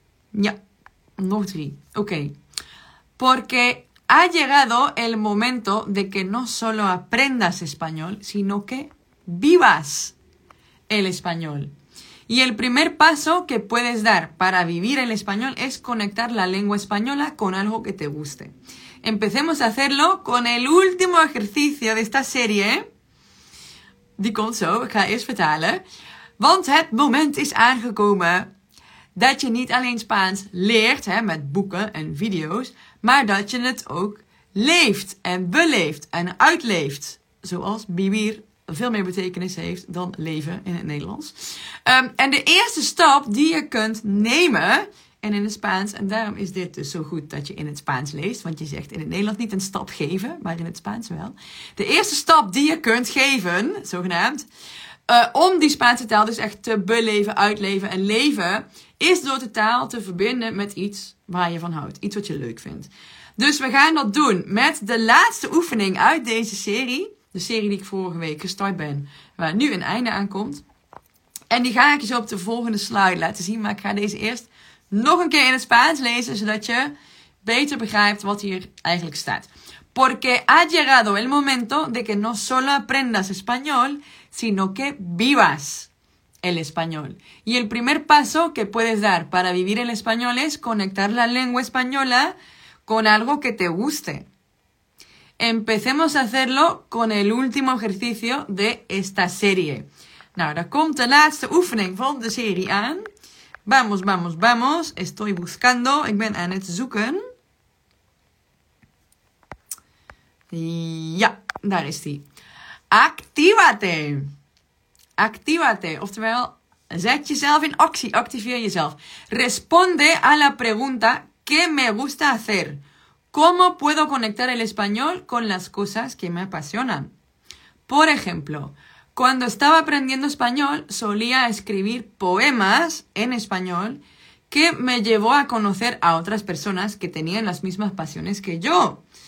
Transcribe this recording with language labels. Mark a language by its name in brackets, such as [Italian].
[Dutch] Ja, nog drie. [Spanish] Ok, porque ha llegado el momento de que no solo aprendas español, sino que vivas el español. Y el primer paso que puedes dar para vivir el español es conectar la lengua española con algo que te guste. Empecemos a hacerlo con el último ejercicio de esta serie. [Dutch] Die komt zo, ik ga eerst vertalen. Want het moment is aangekomen dat je niet alleen Spaans leert, hè, met boeken en video's, maar dat je het ook leeft en beleeft en uitleeft. Zoals vivir veel meer betekenis heeft dan leven in het Nederlands. En de eerste stap die je kunt nemen, en in het Spaans, en daarom is dit dus zo goed dat je in het Spaans leest, want je zegt in het Nederlands niet een stap geven, maar in het Spaans wel. De eerste stap die je kunt geven, zogenaamd, om die Spaanse taal dus echt te beleven, uitleven en leven, is door de taal te verbinden met iets waar je van houdt. Iets wat je leuk vindt. Dus we gaan dat doen met de laatste oefening uit deze serie. De serie die ik vorige week gestart ben, waar nu een einde aan komt. En die ga ik je zo op de volgende slide laten zien. Maar ik ga deze eerst nog een keer in het Spaans lezen, zodat je beter begrijpt wat hier eigenlijk staat. [Spanish] Porque ha llegado el momento de que no solo aprendas español, sino que vivas el español. Y el primer paso que puedes dar para vivir el español es conectar la lengua española con algo que te guste. Empecemos a hacerlo con el último ejercicio de esta serie. [Dutch] Nou, daar komt de laatste oefening van de serie aan. [Spanish] Vamos, vamos, vamos. Estoy buscando. [Dutch] Ik ben aan het zoeken. Ja, daar is die. [Spanish] Actívate. Actívate, [Dutch] oftewel, zet jezelf in actie, activeer jezelf. [Spanish] Responde a la pregunta, ¿qué me gusta hacer? ¿Cómo puedo conectar el español con las cosas que me apasionan? Por ejemplo, cuando estaba aprendiendo español, solía escribir poemas en español que me llevó a conocer a otras personas que tenían las mismas pasiones que yo.